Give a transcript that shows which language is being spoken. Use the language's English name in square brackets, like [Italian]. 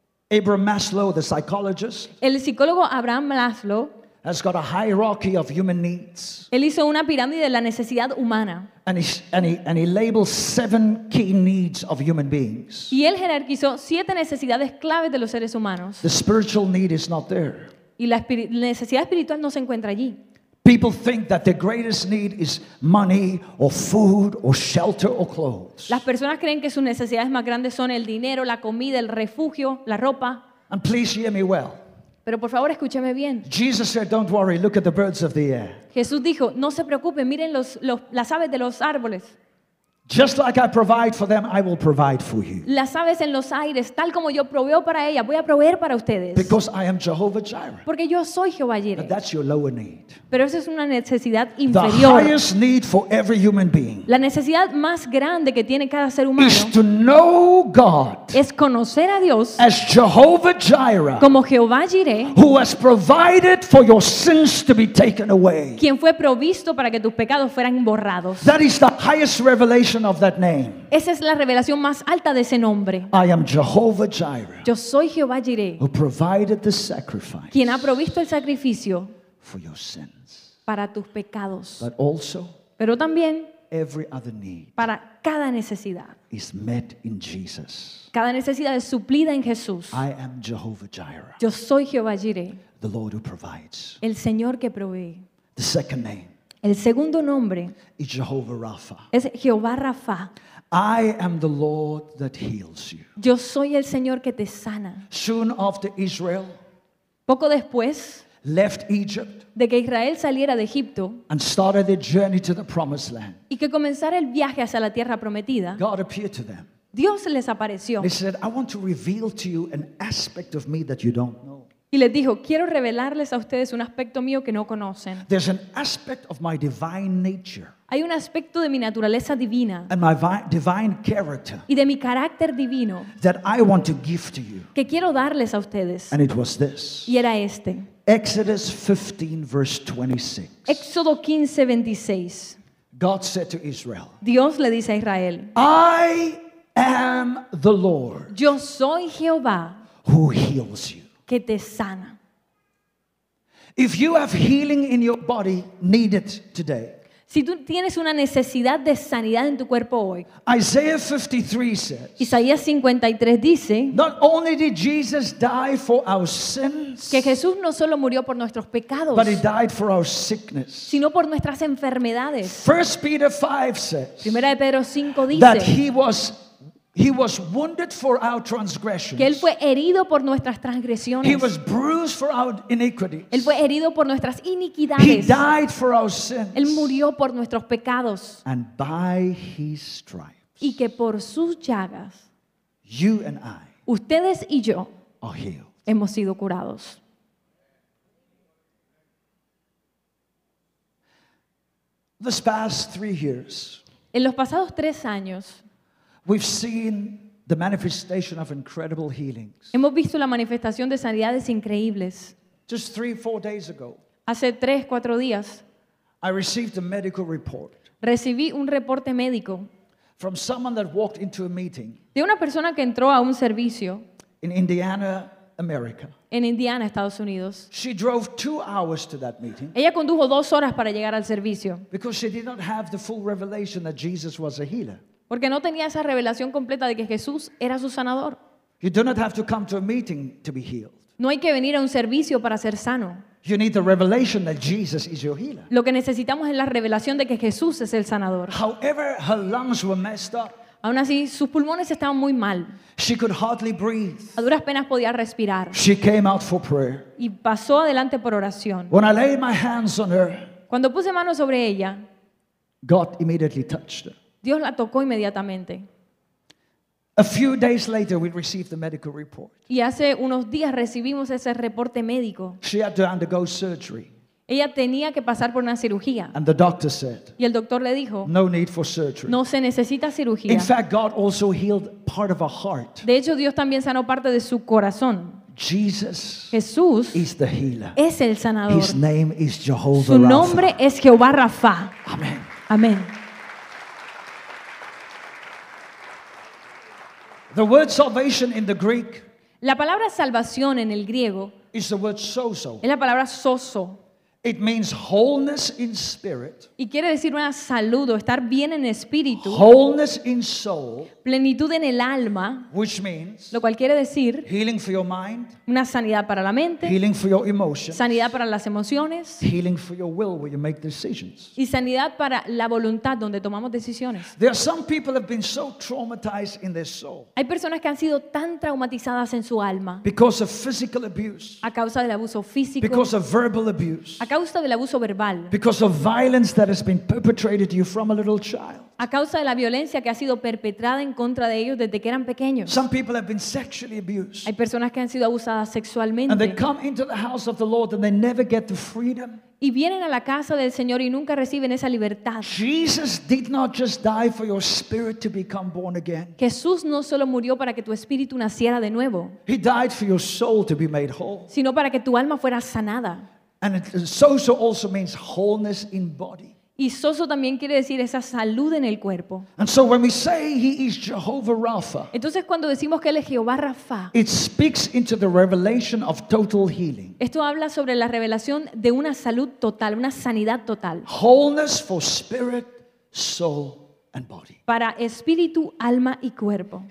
[English] Abraham Maslow, the psychologist. [Spanish] El psicólogo Abraham Maslow. [English] Has got a hierarchy of human needs. [Spanish] Él hizo una pirámide de la necesidad humana. [English] And he labels 7 key needs of human beings. [Spanish] Y él jerarquizó 7 necesidades claves de los seres humanos. [English] The spiritual need is not there. [Spanish] Y la necesidad espiritual no se encuentra allí. [English] People think that the greatest need is money or food or shelter or clothes. [Spanish] Las personas creen que sus necesidades más grandes son el dinero, la comida, el refugio, la ropa. [English] And please hear me well. [Spanish] Pero por favor, escúcheme bien. [English] Jesus said, "Don't worry, look at the birds of the air." [Spanish] Jesús dijo, "No se preocupen, miren las aves de los árboles." [English] Just like I provide for them, I will provide for you. [Spanish] Las aves en los aires, tal como yo proveo para ellas, voy a proveer para ustedes. [English] Because I am Jehovah Jireh. [Spanish] Porque yo soy Jehová Jireh. [English] But that's your lower need. [Spanish] Pero esa es una necesidad inferior. [English] The highest need for every human being. [Spanish] La necesidad más grande que tiene cada ser humano. [English] Is to know God. [Spanish] Es conocer a Dios. [English] As Jehovah Jireh. [Spanish] Como Jehová Jireh. [English] Who has provided for your sins to be taken away. [Spanish] Quien fue provisto para que tus pecados fueran borrados. [English] That is the highest revelation of that name. [Spanish] Esa es la revelación más alta de ese nombre. [English] I am Jehovah Jireh. [Spanish] Yo soy Jehová Jireh. [English] Who provided the sacrifice. [Spanish] Quien ha provisto el sacrificio. [English] For your sins. [Spanish] Para tus pecados. [English] But also. [Spanish] Pero también. [English] Every other need. [Spanish] Para cada necesidad. [English] Is met in Jesus. [Spanish] Cada necesidad es suplida en Jesús. [English] I am Jehovah Jireh. [Spanish] Yo soy Jehová Jireh. [English] The Lord who provides. [Spanish] El Señor que provee. [English] The second name. [Spanish] El segundo nombre [English] is Jehovah Rapha. [Spanish] Es Jehová Rafa. [English] I am the Lord that heals you. [Spanish] Yo soy el Señor que te sana. [English] Soon after Israel, [Spanish] poco después, [English] left Egypt, [Spanish] de que Israel saliera de Egipto, [English] and started their journey to the promised land, [Spanish] y que comenzara el viaje hacia la tierra prometida, [English] God appeared to them. [Spanish] Dios les apareció. [English] He said, I want to reveal to you an aspect of me that you don't know. [Spanish] Y les dijo, quiero revelarles a ustedes un aspecto mío que no conocen. [English] There's an aspect of my divine nature. [Spanish] Hay un aspecto de mi naturaleza divina. [English] And my divine character. [Spanish] Y de mi carácter divino. [English] That I want to give to you. [Spanish] Que quiero darles a ustedes. [English] And it was this. [Spanish] Y era este. [English] Exodus 15 verse 26. [Spanish] Éxodo 15, 26. [English] God said to Israel. [Spanish] Dios le dice a Israel. [English] I am the Lord. [Spanish] Yo soy Jehová. [English] Who heals you. [Spanish] Que te sana. [English] If you have healing in your body, need it today. [Spanish] Si tú tienes una necesidad de sanidad en tu cuerpo hoy. [English] Isaiah 53 says. [Spanish] Isaías 53 dice. [English] Not only did Jesus die for our sins. [Spanish] Que Jesús no solo murió por nuestros pecados. [English] But he died for our sickness. [Spanish] Sino por nuestras enfermedades. [English] 1 Peter 5 says. [Spanish] Primera de Pedro 5 dice. [English] That he was wounded for our transgressions. [Spanish] Que él fue herido por nuestras transgresiones. [English] He was bruised for our iniquities. [Spanish] Él fue herido por nuestras iniquidades. [English] He died for our sins. [Spanish] Él murió por nuestros pecados. [English] And by his stripes. [Spanish] Y que por sus llagas. [English] You and I. [Spanish] Ustedes y yo. [English] Are healed. [Spanish] Hemos sido curados. [English] This past 3 years. [Spanish] En los pasados 3 años. [English] We've seen the manifestation of incredible healings. [Spanish] Hemos visto la manifestación de sanidades increíbles. [English] Just 3-4 days ago. [Spanish] Hace 3-4 días. [English] I received a medical report. [Spanish] Recibí un reporte médico. [English] From someone that walked into a meeting. [Spanish] De una persona que entró a un servicio. [English] In Indiana, America. [Spanish] En Indiana, Estados Unidos. [English] She drove 2 hours to that meeting. [Spanish] Ella condujo 2 horas para llegar al servicio. [English] Because she did not have the full revelation that Jesus was a healer. [Spanish] Porque no tenía esa revelación completa de que Jesús era su sanador. [English] You do not have to come to a meeting to be healed. [Spanish] No hay que venir a un servicio para ser sano. [English] You need the revelation that Jesus is your healer. [Spanish] Lo que necesitamos es la revelación de que Jesús es el sanador. [English] However, her lungs were messed up. [Spanish] Aún así, sus pulmones estaban muy mal. [English] She could hardly breathe. [Spanish] A duras penas podía respirar. [English] She came out for prayer. [Spanish] Y pasó adelante por oración. [English] When I laid my hands on her, [Spanish] cuando puse manos sobre ella, [English] God immediately touched her. [Spanish] Dios la tocó inmediatamente. [English] A few days later, we received the medical report. [Spanish] Y hace unos días recibimos ese reporte médico. [English] She had to undergo surgery. [Spanish] Ella tenía que pasar por una cirugía. [English] And the doctor said, [Spanish] y el doctor le dijo, [English] no need for surgery. [Spanish] No se necesita cirugía. [English] In fact, God also healed part of her heart. [Spanish] De hecho, Dios también sanó parte de su corazón. [English] Jesus, [Spanish] Jesús, [English] is the healer. [Spanish] Es el sanador. [English] His name is Jehovah Rapha. [Spanish] Su nombre es Jehová Rafa. Amén. Amén. [English] The word salvation in the Greek. [Spanish] La palabra salvación en el griego. [English] Is the word sozo. [Spanish] Es la palabra sozo. [English] It means wholeness in spirit. [Spanish] Y quiere decir una salud o estar bien en espíritu. [English] Wholeness in soul. [Spanish] Plenitud en el alma. [English] Which means. [Spanish] Lo cual quiere decir. [English] Healing for your mind. [Spanish] Una sanidad para la mente. [English] Healing for your emotions. [Spanish] Sanidad para las emociones. [English] Healing for your will where you make decisions. [Spanish] Y sanidad para la voluntad donde tomamos decisiones. [English] There are some people have been so traumatized in their soul. [Spanish] Hay personas que han sido tan traumatizadas en su alma. [English] Because of physical abuse. [Spanish] A causa del abuso físico. [English] Because of verbal abuse. [Spanish] A causa del abuso verbal. [English] Because of violence that has been perpetrated to you from a little child. [Spanish] A causa de la violencia que ha sido perpetrada en contra de ellos desde que eran pequeños. [English] Some people have been sexually abused. [Spanish] Hay personas que han sido abusadas sexualmente. [English] And they come into the house of the Lord and they never get the freedom. [Spanish] Y vienen a la casa del Señor y nunca reciben esa libertad. [English] Jesus did not just die for your spirit to become born again. [Spanish] Jesús no solo murió para que tu espíritu naciera de nuevo. [English] He died for your soul to be made whole. [Spanish] Sino para que tu alma fuera sanada. [English] And sozo also means wholeness in body. [Spanish] Y sozo también quiere decir esa salud en el cuerpo. [English] And so when we say he is Jehovah Rapha, [Spanish] entonces cuando decimos que él es Jehová Rafa, [English] it speaks into the revelation of total healing. [Spanish] Esto habla sobre la revelación de una salud total, una sanidad total. [English] Wholeness for spirit, soul, and body. [Spanish] Para espíritu, alma y cuerpo.